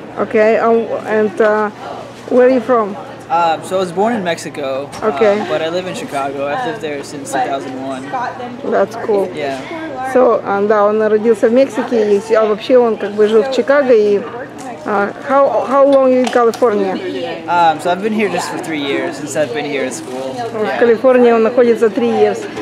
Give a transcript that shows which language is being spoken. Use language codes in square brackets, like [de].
[en] Okay, and where are you from? So I was born in Mexico. Okay. But I live in Chicago. I've lived there since 2001. That's cool. Yeah. [ru] So, да, он родился в Мексике, и, а вообще он как бы жил в Чикаго. [en] И how long are you in California? So I've been here just for 3 years since I've been here at school. [ru] В Калифорнии он находится [en] 3 years.